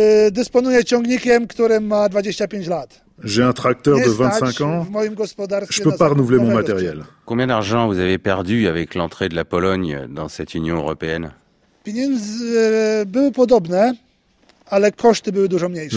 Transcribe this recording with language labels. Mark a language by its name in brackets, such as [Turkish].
[Polish] Dysponuję ciągnikiem, który ma 25 lat. [French] J'ai un tracteur de 25 ans. Je peux pas renouveler mon matériel. Combien d'argent vous avez perdu avec l'entrée de la Pologne dans cette Union européenne? [Polish] Były podobne, ale koszty były dużo mniejsze.